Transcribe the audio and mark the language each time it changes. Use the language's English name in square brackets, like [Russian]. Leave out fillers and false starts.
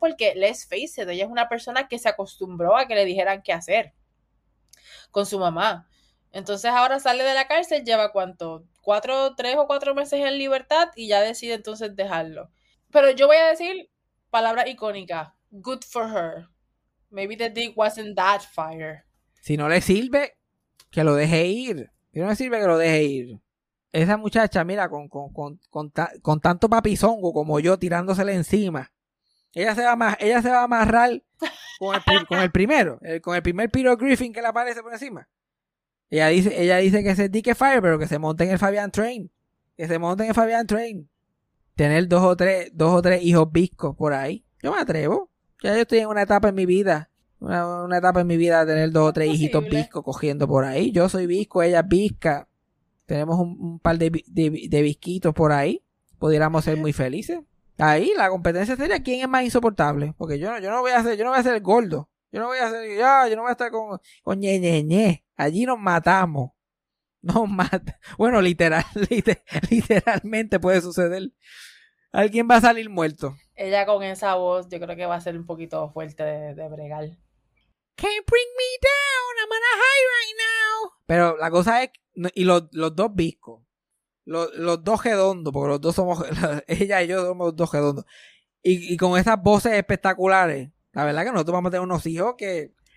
[Spanish] Porque, [English] let's face it, [Spanish] ella es una persona que se acostumbró a que le dijeran qué hacer con su mamá. Entonces ahora sale de la cárcel, lleva ¿cuánto? 3 o 4 meses en libertad y ya decide entonces dejarlo. Pero yo voy a decir palabra icónica, [English] good for her. Maybe the dick wasn't that fire. [Spanish] Si no le sirve... Que lo deje ir. Y no me sirve que lo deje ir. Esa muchacha, mira, con tanto papizongo como yo tirándosele encima. Ella se va a amarrar con el primer Peter Griffin que le aparece por encima. Ella dice que es el Dick Fire, pero que se monte en el Fabian Train. Que se monte en el Fabian Train. Tener dos o tres hijos bizcos por ahí. Yo me atrevo. Ya yo estoy en una etapa en mi vida. Una etapa en mi vida de tener 2 o 3 hijitos bizcos cogiendo por ahí. Yo soy bizco, ella es bizca. Tenemos un par de bizquitos por ahí. Pudiéramos ser muy felices. Ahí la competencia sería quién es más insoportable. Porque yo no voy a ser el gordo. Yo no voy a hacer, ya, yo no voy a estar con Ñe. Allí nos matamos. Nos mata. Bueno, literalmente puede suceder. Alguien va a salir muerto. Ella con esa voz, yo creo que va a ser un poquito fuerte de bregar. [English] Can't bring me down, I'm on a high right now. [Spanish] Pero la cosa es, y los dos viscos, los dos redondos, porque los dos somos, ella y yo somos los dos redondos. Y con esas voces espectaculares, la verdad que nosotros vamos a tener unos hijos que...